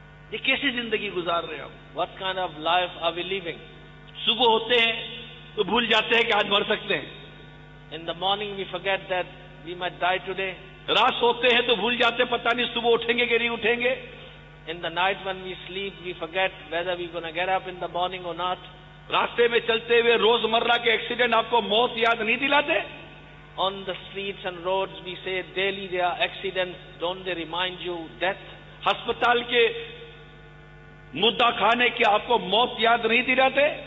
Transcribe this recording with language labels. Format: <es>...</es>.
<ur>یہ کیسی زندگی گزار رہے ہیں؟</ur> <en>What kind of life are we living?</en> <ur>صبح ہوتے ہیں تو بھول جاتے ہیں کہ آج مر سکتے ہیں.</ur> <en>In the morning we forget that we might die today.</en> <ur>رات سوتے ہیں تو بھول جاتے ہیں پتہ نہیں صبح اٹھیں گے کہ نہیں اٹھیں گے.</ur> <en>In the night when we sleep we forget whether we're going to get up in the morning or not.</en> <ur>راستے میں چلتے ہوئے روزمرہ کے ایکسیڈنٹ آپ کو موت یاد نہیں دلاتے؟</ur> <en>On the streets and roads we say daily there are accidents, don't they remind you death?</en> <ur>ہسپتال کے مدعا خانے کے آپ کو موت یاد نہیں دلاتے؟</ur>